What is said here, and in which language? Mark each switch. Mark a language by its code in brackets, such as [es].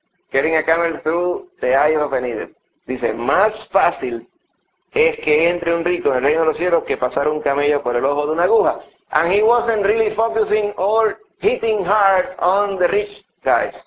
[en] Getting a camel through the eye of a needle. [es] Dice, más fácil es que entre un rico en el reino de los cielos que pasar un camello por el ojo de una aguja. [en] And he wasn't really focusing or hitting hard on the rich guys.